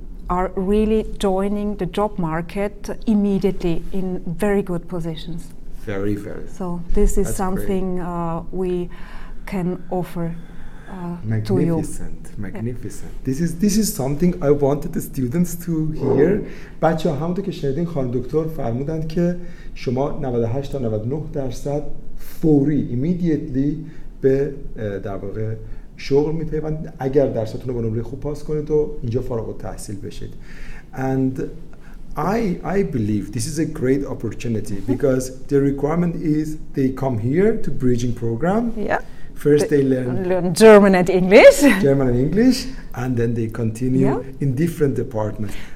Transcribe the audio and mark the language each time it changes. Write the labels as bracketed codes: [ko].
[en] are really joining the job market immediately in very good positions. Very, very. So this is something we can offer to you. Magnificent, magnificent. Yeah. This is something I wanted the students to hear. [fa] بچه همونطور که شنیدین خانم دکتر فرمودند که شما 98 تا 99 درصد فوری immediately به در واقع شغل میپیوند اگر درستتون رو با نمره خوب پاس کنید و اینجا فارغ التحصیل بشید. [en] And I believe this is a great opportunity because the requirement is they come here to bridging program. Yeah. First they learn German and English. German and English, and then they continue in different departments.